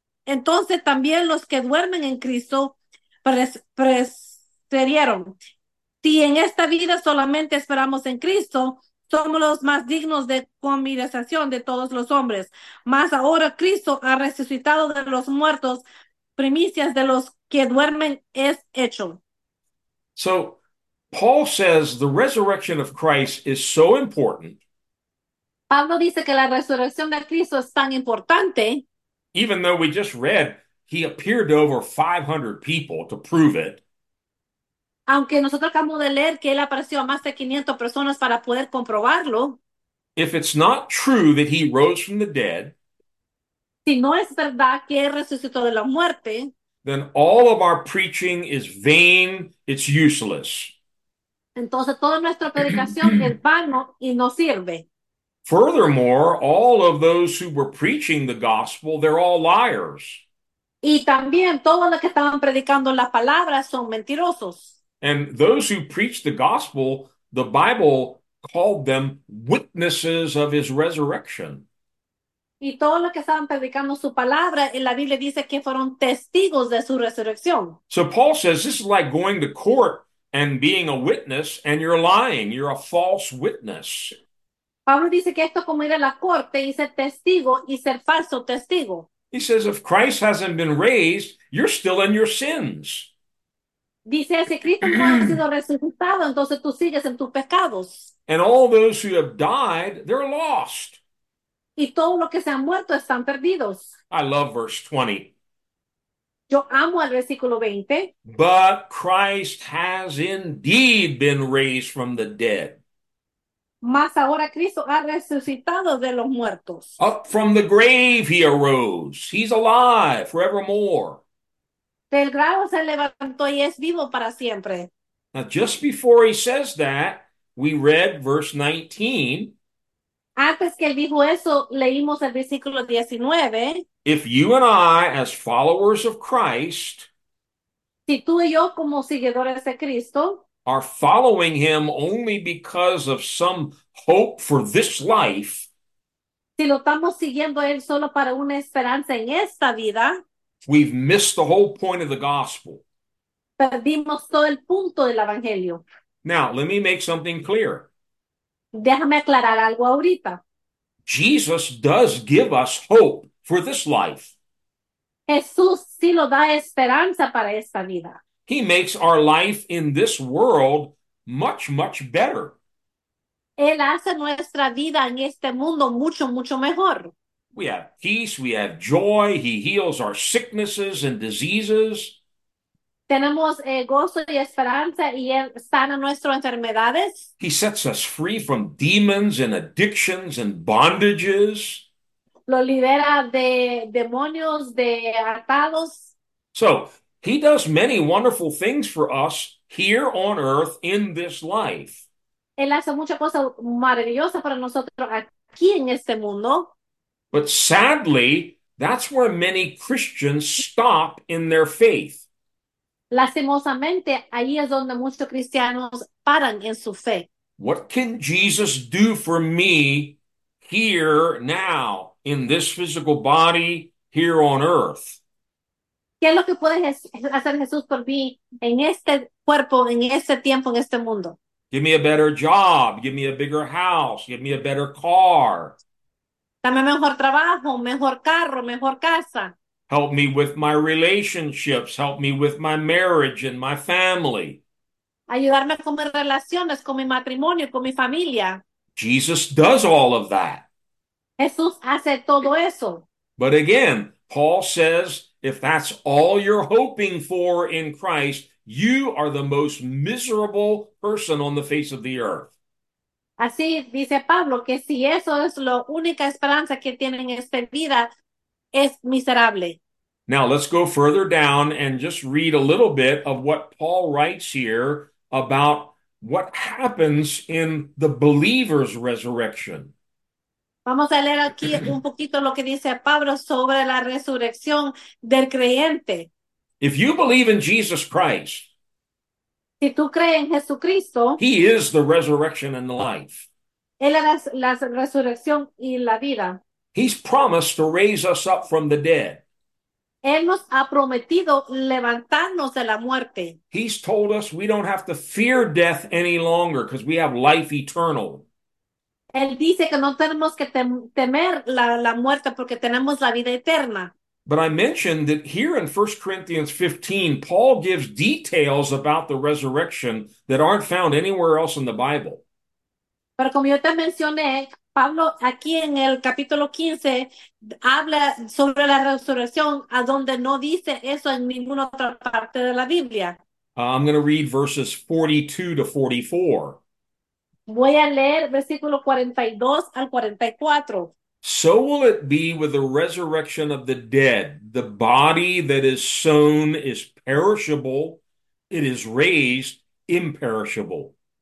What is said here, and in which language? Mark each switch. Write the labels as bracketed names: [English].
[Spanish] Entonces también los que duermen en Cristo perecieron. Si en esta vida solamente esperamos en Cristo, somos los más dignos de conmiseración de todos los hombres. Mas ahora Cristo ha resucitado de los muertos, primicias de los que duermen es hecho. [English] So Paul says the resurrection of Christ is so important, [Spanish] Pablo dice que la resurrección de Cristo es tan importante. [English] even though we just read he appeared to over 500 people to prove it. [Spanish] Aunque nosotros acabamos de leer que él apareció a más de 500 personas para poder comprobarlo, [English] If it's not true that he rose from the dead, [Spanish] si no es verdad que él resucitó de la muerte, [English] then all of our preaching is vain, it's useless. [Spanish] entonces toda nuestra predicación es vano y no sirve. [English] Furthermore, all of those who were preaching the gospel, they're all liars. [Spanish] Y también todos los que estaban predicando las palabras son mentirosos. [English] And those who preach the gospel, the Bible called them witnesses of his resurrection. [Spanish] Y todos los que estaban predicando su palabra, en la Biblia dice que fueron testigos de su resurrección. [English] So Paul says this is like going to court and being a witness, and you're lying. You're a false witness. [Spanish] Pablo dice que esto es como ir a la corte y ser testigo y ser falso testigo. [English] He says if Christ hasn't been raised, you're still in your sins. [Spanish] Dice, si Cristo no ha sido resucitado, entonces tú sigues en tus pecados. [English] And all those who have died, they're lost. [Spanish] Y todos los que se han muerto están perdidos. [English] I love verse 20. [Spanish] Yo amo el versículo 20. [English] But Christ has indeed been raised from the dead. [Spanish] Mas ahora Cristo ha resucitado de los muertos. [English] Up from the grave he arose. He's alive forevermore. [Spanish] Del grado se levantó y es vivo para siempre. [English] Now, just before he says that, we read verse 19. [Spanish] Antes que él dijo eso, leímos el versículo 19. [English] If you and I, as followers of Christ, [Spanish] Si tú y yo como seguidores de Cristo, [English] are following him only because of some hope for this life, [Spanish] si lo estamos siguiendo a él solo para una esperanza en esta vida, [English] we've missed the whole point of the gospel. [Spanish] perdimos todo el punto del evangelio. [English] Now, let me make something clear. [Spanish] Déjame aclarar algo ahorita. [English] Jesus does give us hope for this life. [Spanish] Jesús sí lo da esperanza para esta vida. [English] He makes our life in this world much, much better. [Spanish] Él hace nuestra vida en este mundo mucho, mucho mejor. [English] We have peace, we have joy, he heals our sicknesses and diseases. [Spanish] Tenemos gozo y esperanza y sana nuestras enfermedades. [English] He sets us free from demons and addictions and bondages. [Spanish] Lo libera de demonios, de atados. [English] So, he does many wonderful things for us here on earth in this life. [Spanish] Él hace muchas cosas maravillosas para nosotros aquí en este mundo. [English] But sadly, that's where many Christians stop in their faith. [Spanish] Lastimosamente, ahí es donde muchos cristianos paran en su fe. [English] What can Jesus do for me here now in this physical body here on earth? [Spanish] ¿Qué es lo que puede hacer Jesús por mí en este cuerpo, en este tiempo, en este mundo? [English] Give me a better job. Give me a bigger house. Give me a better car. [Spanish] Dame mejor trabajo, mejor carro, mejor casa. [English] Help me with my relationships. Help me with my marriage and my family. [Spanish] Ayudarme con mis relaciones, con mi matrimonio, con mi familia. [English] Jesus does all of that. [Spanish] Jesús hace todo eso. [English] But again, Paul says if that's all you're hoping for in Christ, you are the most miserable person on the face of the earth. [Spanish] Así dice Pablo, que si eso es la única esperanza que tienen en esta vida, es miserable. [English] Now let's go further down and just read a little bit of what Paul writes here about what happens in the believer's resurrection. [Spanish] Vamos a leer aquí un poquito lo que dice Pablo sobre la resurrección del creyente. [English] If you believe in Jesus Christ, [Spanish] Si tú crees en Jesucristo, [English] he is the resurrection and the life. [Spanish] Él es la resurrección y la vida. [English] He's promised to raise us up from the dead. [Spanish] Él nos ha prometido levantarnos de la muerte. [English] He's told us we don't have to fear death any longer because we have life eternal. [Spanish] Él dice que no tenemos que temer la muerte porque tenemos la vida eterna. [English] But I mentioned that here in 1 Corinthians 15, Paul gives details about the resurrection that aren't found anywhere else in the Bible. [Spanish] Pero como yo te mencioné, Pablo aquí en el capítulo 15 habla sobre la resurrección, a donde no dice eso en ninguna otra parte de la Biblia. [English] I'm going to read verses 42 to 44. [Spanish] Voy a leer versículo 42 al 44. [English] So will it be with the resurrection of the dead. The body that is sown is perishable, it is raised imperishable.